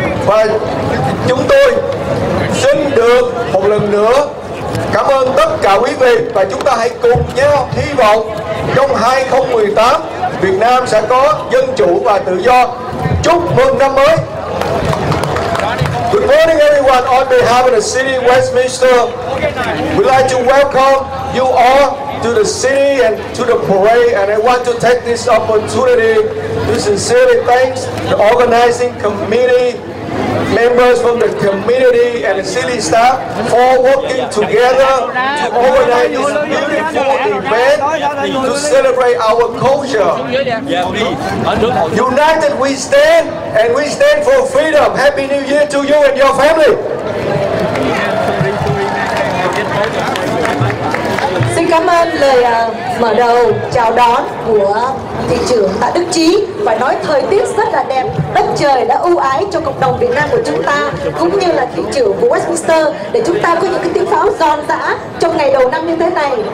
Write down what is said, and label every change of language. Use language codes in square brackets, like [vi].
[vi] Và chúng tôi xin được một lần nữa cảm ơn tất cả quý vị, và chúng ta hãy cùng nhau hy vọng trong 2018 Việt Nam sẽ có dân chủ và tự do. Chúc mừng năm mới. [en] Good morning everyone. On behalf of the city of Westminster, we'd like to welcome you all to the city and to the parade, and I want to take this opportunity to sincerely thank the organizing committee, members from the community and the city staff for working together to organize this beautiful event to celebrate our culture. United we stand, and we stand for freedom. Happy New Year to you and your family. [vi] Cảm ơn lời mở đầu chào đón của thị trưởng Tạ Đức Chí. Phải nói thời tiết rất là đẹp, đất trời đã ưu ái cho cộng đồng Việt Nam của chúng ta cũng như là thị trưởng của Westminster để chúng ta có những cái tiếng pháo giòn giã trong ngày đầu năm như thế này.